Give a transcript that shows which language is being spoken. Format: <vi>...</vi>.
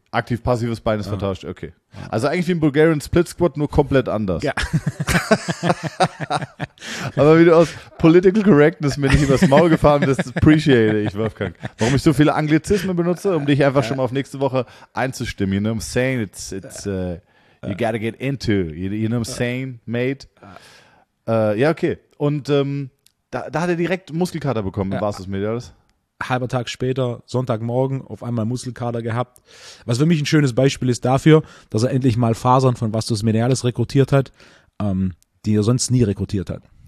<de>Aktiv-passives Bein ist vertauscht, okay. Also eigentlich wie ein Bulgarian Split Squat, nur komplett anders. Ja. Aber wie du aus Political Correctness mir nicht übers Maul gefahren bist, appreciate ich, Wolfgang. Warum ich so viele Anglizismen benutze, um dich einfach schon mal auf nächste Woche einzustimmen.</de> <en>You know what I'm saying? You gotta get into. You know what I'm saying, mate?</en> <de>Okay. Und da hat er direkt Muskelkater bekommen, war es mir das? Halber Tag später, Sonntagmorgen, auf einmal Muskelkater gehabt. Was für mich ein schönes Beispiel ist dafür, dass er endlich mal Fasern von Vastus Medialis rekrutiert hat, die er sonst nie rekrutiert hat.</de>